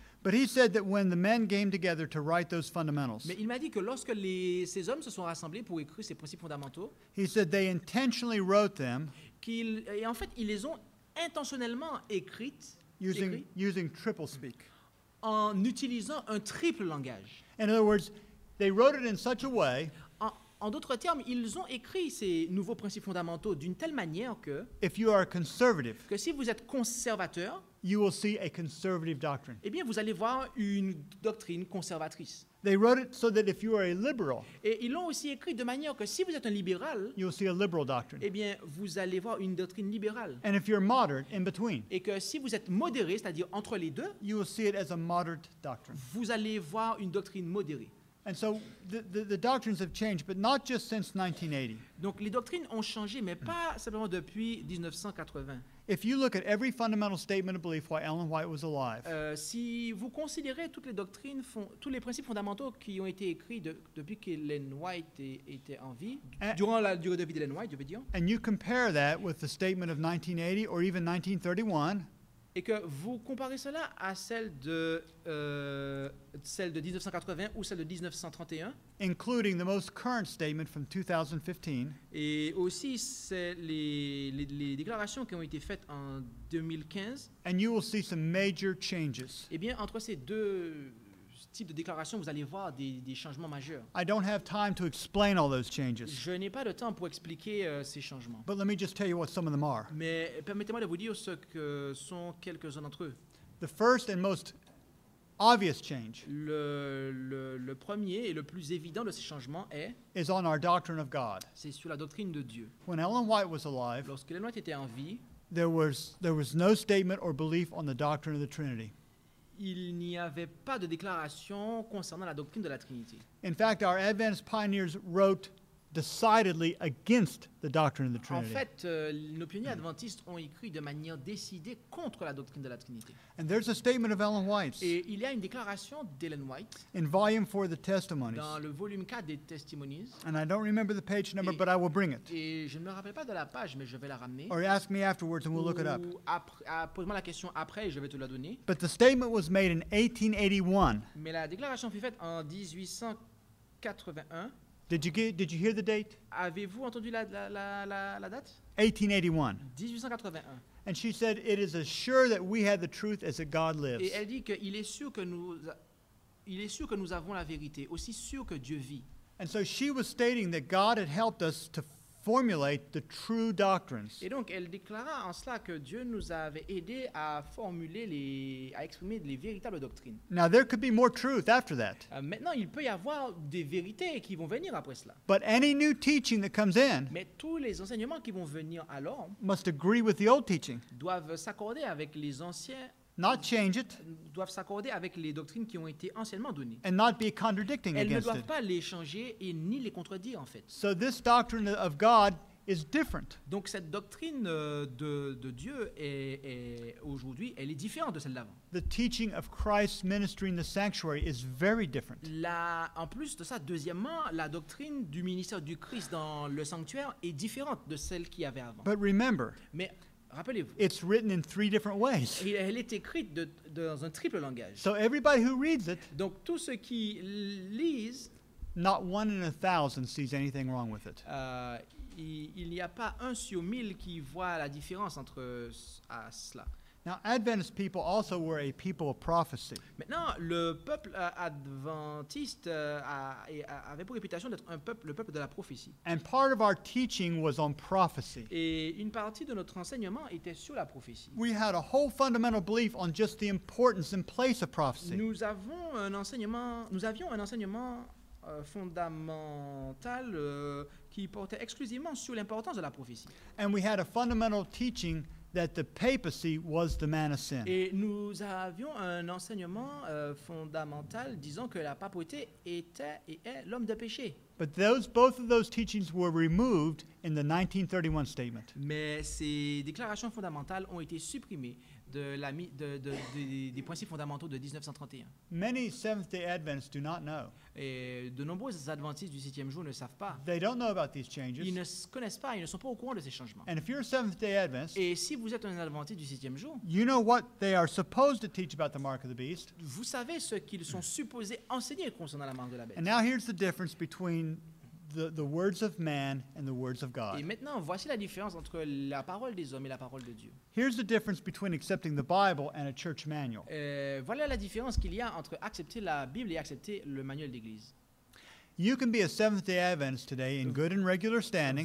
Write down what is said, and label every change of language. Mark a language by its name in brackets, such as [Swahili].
[English] But he said that when the men came together to write those fundamentals. [French] Mais il m'a dit que lorsque ces hommes se sont rassemblés pour écrire ces principes fondamentaux. [English] He said they intentionally wrote them. [French] Et en fait, ils les ont intentionnellement écrites. [English] Using triple speak. [French] En utilisant un triple langage. [English] In other words, they wrote it in such a way. [French] En d'autres termes, ils ont écrit ces nouveaux principes fondamentaux d'une telle manière que [English] if you are conservative, [French] que si vous êtes conservateur, [English] you will see a conservative doctrine. [French] Eh bien, vous allez voir une doctrine conservatrice. [English] They wrote it so that if you are a liberal, [French] et ils l'ont aussi écrit de manière que si vous êtes un libéral, [English] you will see a liberal doctrine. [French] Eh bien, vous allez voir une doctrine libérale. [English] And if you're moderate, in between, [French] et que si vous êtes modéré, c'est-à-dire entre les deux, [English] you will see it as a moderate doctrine. [French] Vous allez voir une doctrine modérée. [English] And so the doctrines have changed, but not just since 1980. [French] Donc les doctrines ont changé, mais pas simplement depuis 1980. [English] If you look at every fundamental statement of belief while Ellen White was alive, [French] si vous considérez toutes les doctrines, tous les principes fondamentaux qui ont été écrits depuis qu'Ellen White était en vie, durant la durée de vie d'Ellen White, je veux dire. [English] And you compare that with the statement of 1980 or even 1931. [French] Et que vous comparez cela à celle de 1980 ou celle de 1931, [English] including the most current statement from 2015, [French] et aussi les déclarations qui ont été faites en 2015, [English] and you will see some major changes. [French] Et bien, entre ces deux types de déclarations, vous allez voir des changements majeurs. [English] I don't have time to explain all those changes. [French] Je n'ai pas de temps pour expliquer ces changements. [English] But let me just tell you what some of them are. [French] Mais permettez-moi de vous dire ce que sont quelques-uns d'entre eux. [English] The first and most obvious change. [French] Le premier et le plus évident de ces changements est [English] is on our doctrine of God. [French] C'est sur la doctrine de Dieu. [English] When Ellen White was alive, [French] lorsque Ellen White était en vie, [English] there was no statement or belief on the doctrine of the Trinity. [French] Il n'y avait pas de déclaration concernant la doctrine de la Trinité. [English] In fact, our Adventist pioneers wrote decidedly against the doctrine of the Trinity. [French] En fait, nos pionniers adventistes ont écrit de manière décidée contre la doctrine de la Trinité. [English] And there's a statement of Ellen White's. [French] Et il y a une déclaration d'Ellen White. [English] In volume 4 of the Testimonies. [French] Dans le volume 4 des Testimonies. [English] And I don't remember the page number, but I will bring it. [French] Et je ne me rappelle pas de la page, mais je vais la ramener. [English] Or ask me afterwards, and we'll look it up. [French] Pose-moi la question après, et je vais te la donner. [English] But the statement was made in 1881. [French] Mais la déclaration fut faite en 1881. [English] Did you hear the date? [French] Avez-vous entendu la date? [English] 1881. And she said, "It is as sure that we have the truth as that God lives." [French] Et elle dit que il est sûr que nous avons la vérité, aussi sûr que Dieu vit. [English] And so she was stating that God had helped us to formulate the true doctrines. [French] Et donc elle déclara en cela que Dieu nous avait aidé à formuler à exprimer les véritables doctrines. [English] Now there could be more truth after that. [French] Maintenant il peut y avoir des vérités qui vont venir après cela. [English] But any new teaching that comes in, [French] mais tous les enseignements qui vont venir alors, [English] must agree with the old teaching. [French] Doivent s'accorder avec les anciens [English] not change it, [French] doivent s'accorder avec les doctrines qui ont été anciennement données. [English] And not be contradicting [French] elles [English] against [French] ne doivent [English] it. [French] Pas les changer et ni les contredire en fait. [English] So this doctrine of God is different. [French] Donc cette doctrine de Dieu est aujourd'hui elle est différente de celle d'avant. [English] The teaching of Christ's ministry in the sanctuary is very different. [French] Là, en plus de ça, deuxièmement, la doctrine du ministère du Christ dans le sanctuaire est différente de celle qu'il y avait avant. [English] But remember, [French] mais rappelez-vous, [English] it's written in three different ways. [French] Elle est écrite dans un triple langage. [English] So everybody who reads it, [French] donc tous ceux qui lisent, [English] not one in a thousand sees anything wrong with it. [French] Il n'y a pas un sur mille qui voit la différence entre à cela. [English] Now, Adventist people also were a people of prophecy. [French] Maintenant, le peuple adventiste avait pour réputation d'être le peuple de la prophétie. [English] And part of our teaching was on prophecy. [French] Et une partie de notre enseignement était sur la prophétie. [English] We had a whole fundamental belief on just the importance and place of prophecy. [French] Nous avions un enseignement fondamental qui portait exclusivement sur l'importance de la prophétie. [English] And we had a fundamental teaching that the papacy was the man of sin. [French] Et nous avions un enseignement fondamental disant que la papauté était et est l'homme de péché. [English] But both of those teachings were removed in the 1931 statement. [French] Mais ces déclarations fondamentales ont été supprimées des principes fondamentaux de 1931. [English] Many Seventh-day Adventists do not know. [French] Et de nombreux adventistes du 7e jour ne savent pas. [English] They don't know about these changes. [French] Ils ne connaissent pas, ils ne sont pas au courant de ces changements. [English] And if you're a Seventh-day Adventist, [French] et si vous êtes un adventiste du 7e jour, [English] you know what they are supposed to teach about the mark of the beast. [French] Vous savez ce qu'ils sont supposés enseigner concernant la marque de la bête. [English] And now here's the difference between the words of man and the words of God. [French] Et maintenant, voici la différence entre la parole des hommes et la parole de Dieu. [English] Here's the difference between accepting the Bible and a church manual. [French] Voilà la différence qu'il y a entre accepter la Bible et accepter le manuel d'église. [English] You can be a Seventh-day Adventist today in good and regular standing.